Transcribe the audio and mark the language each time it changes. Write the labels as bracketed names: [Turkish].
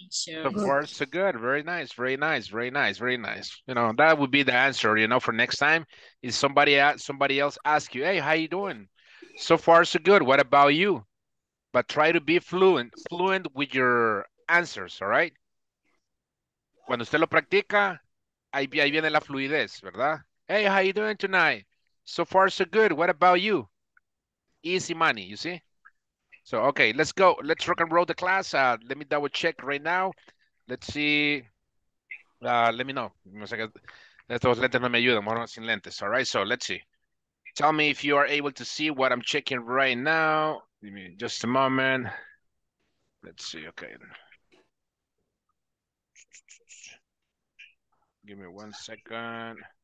[English] Yeah. So far, so good. Very nice. Very nice. Very nice. Very nice. You know, that would be the answer, you know, for next time. If somebody else ask you, hey, how you doing? So far, so good. What about you? But try to be fluent with your answers, all right? [Spanish] Cuando usted lo practica, ahí viene la fluidez, ¿verdad? [English] Hey, how you doing tonight? So far, so good. What about you? Easy money, you see? So, okay, let's go. Let's rock and roll the class. Let me double check right now. Let's see. Let me know. [Spanish] Estos lentes no me ayudan, mejor sin lentes. [English] All right, so let's see. Tell me if you are able to see what I'm checking right now. Give me just a moment. Let's see, okay. Give me 1 second.